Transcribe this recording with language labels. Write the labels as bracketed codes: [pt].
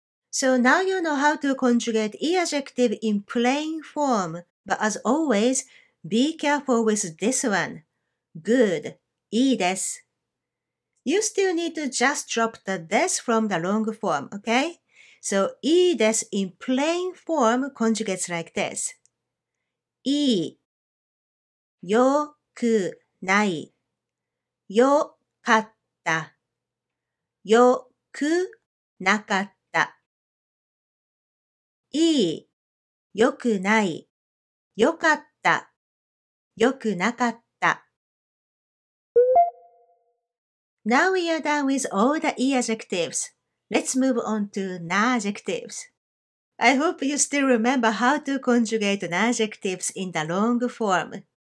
[en] So now you know how to conjugate e-adjective in plain form, but as always, be careful with this one. Good, いいです。You still need to just drop the des from the long form, okay? So いいです in plain form conjugates like this. [ja] いい、よくない、よかった。よくなかった。いい、よくない、よかった、よくなかった。 [en] Now we are done with all the e-adjectives. Let's move on to na-adjectives. I hope you still remember how to conjugate na-adjectives in the long form.